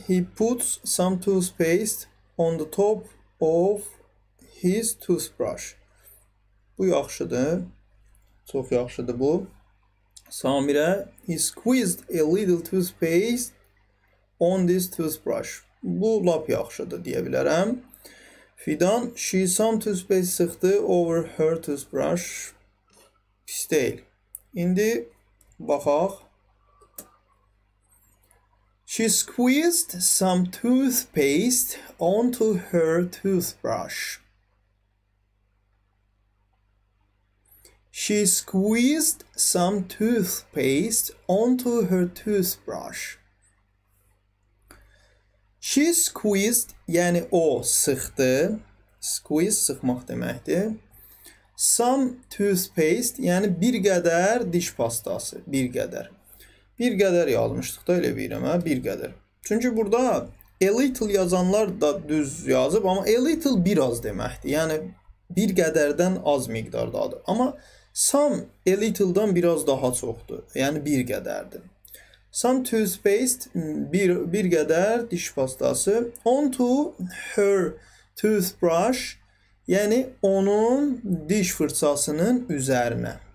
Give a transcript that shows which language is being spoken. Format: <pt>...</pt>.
<en>He puts some toothpaste on the top of his toothbrush.</en> <az>Bu yaxşıdır. Çox yaxşıdır bu.</az> <en>Samirə. He squeezed a little toothpaste on this toothbrush.</en> <az>Bu lap yaxşıdır deyə bilərəm.</az> <en>Fidan, she some toothpaste</en> <az>sıxdı</az> <en>over her toothbrush.</en> <az>Pis deyil. İndi baxaq.</az> <en>She squeezed some toothpaste onto her toothbrush. She squeezed some toothpaste onto her toothbrush. She squeezed,</en> <az>yani o sıxdı. Squeeze sıxmaq deməkdir.</az> <en>Some toothpaste,</en> <az>yani bir qədər diş pastası. Bir qədər. Bir qədər yazmışdıq da elə bilirəm. Hə? Bir qədər. Çünki burada a little yazanlar da düz yazıb. Ama a little biraz deməkdir. Yani bir qədərdən az miqdardadır. Ama some a little'dan biraz daha çoxdur. Yani bir qədərdir.</az> <en>Some toothpaste,</en> <az>bir qədər diş pastası.</az> <en>Onto her toothbrush,</en> <az>yəni onun diş fırçasının üzərinə.</az>